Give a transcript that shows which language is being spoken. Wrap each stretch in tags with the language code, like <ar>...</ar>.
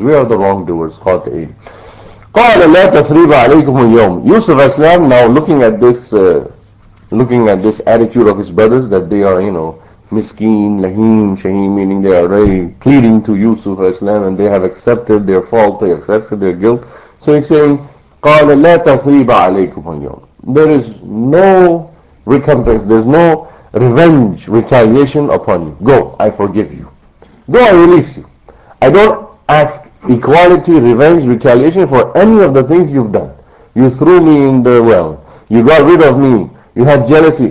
<en>We are the wrongdoers.</en> <ar>خَاطِئِينَ. قَالَ لَا تَثْرِيبَ عَلَيْكُمُ الْيَوْمِ.</ar> <en>Yusuf Islam, now looking at this attitude of his brothers, that they are, you know, miskeen, laheem, shaheem, meaning they are already pleading to Yusuf Islam and they have accepted their fault, they accepted their guilt. So he's saying,</en> <ar>قَالَ لَا تَثْرِيبَ عَلَيْكُمُ الْيَوْمِ.</ar> <en>There is no recompense, there is no revenge, retaliation upon you. Go, I forgive you. Go, I release you. I don't ask equality, revenge, retaliation for any of the things you've done. You threw me in the well. You got rid of me. You had jealousy.</en>